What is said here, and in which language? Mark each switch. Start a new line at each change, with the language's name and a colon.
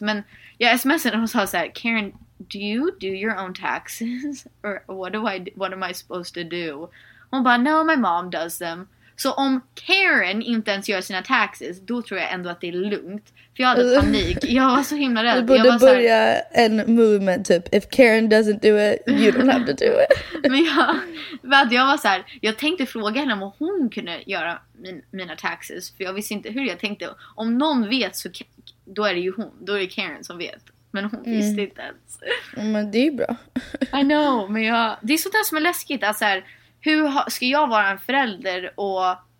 Swedish: Men jag smsade henne och sa så här:
English: Karen, do you do your own taxes? Or what am I supposed to do?
Swedish: Hon bara,
English: no, my mom does them.
Swedish: Så om Karen inte ens gör sina taxes, då tror jag ändå att det är lugnt. För jag hade panik. Jag var så himla rädd. Du borde jag var börja här... en movement typ.
English: If Karen doesn't do it, you don't have to do it.
Swedish: Men jag var så här, jag tänkte fråga henne om hon kunde göra mina taxes. För jag visste inte hur jag tänkte. Om någon vet så då är det ju hon. Då är det Karen som vet. Men hon visste inte ens. Men det är bra.
English: I know,
Swedish: men jag... Det är sånt där som är läskigt. Alltså här, hur ska jag vara en förälder och...